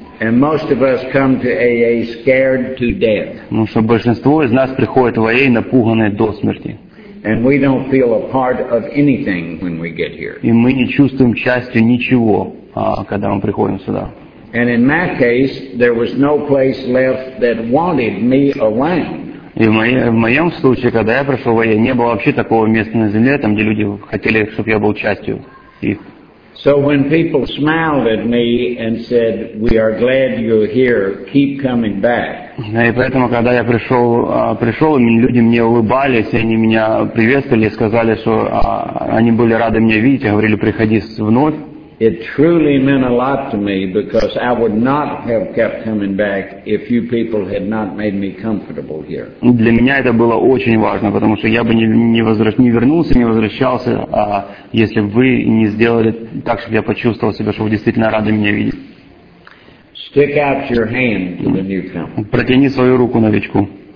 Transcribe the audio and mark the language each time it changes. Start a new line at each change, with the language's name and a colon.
English: And most of us come to AA scared to death.
Russian: Ну что большинство из нас приходит в AA напуганные до смерти.
English: And we don't feel a part of anything when we get here.
Russian: И мы не чувствуем частью ничего, когда мы приходим сюда.
English: And in my case, there was no place left that wanted me around.
Russian: И в моем случае, когда я пришел в AA, не было вообще такого места на земле, там, где люди хотели, чтобы я был частью их.
English: So when people smiled at me and said, "We are glad you're here. Keep coming back."
Russian: И поэтому, когда я пришел, люди мне улыбались, они меня приветствовали и сказали, что они были рады меня видеть, и говорили, приходи вновь.
English: It truly meant a lot to me because I would not have kept coming back if you people had not made me comfortable here.
Russian: Для меня это было очень важно, потому что я бы не возвращался, если бы вы не сделали так, чтобы я почувствовал себя, что вы действительно рады меня видеть.
English: Stick out your hand to the newcomer.
Russian: Протяни свою руку новичку.